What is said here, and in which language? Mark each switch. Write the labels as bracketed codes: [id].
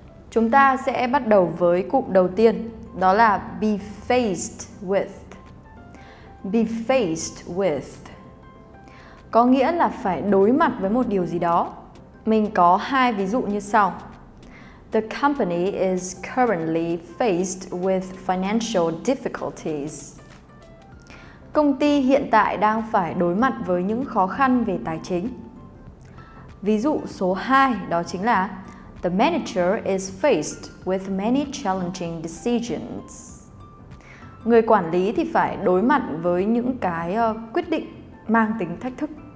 [vi] Chúng ta sẽ bắt đầu với cụm đầu tiên, đó là be faced with. Be faced with có nghĩa là phải đối mặt với một điều gì đó. Mình có hai ví dụ như sau. [en] The company is currently faced with financial difficulties. [vi] Công ty hiện tại đang phải đối mặt với những khó khăn về tài chính. Ví dụ số 2 đó chính là [en] The manager is faced with many challenging decisions. [vi] Người quản lý thì phải đối mặt với những cái quyết định mang tính thách thức.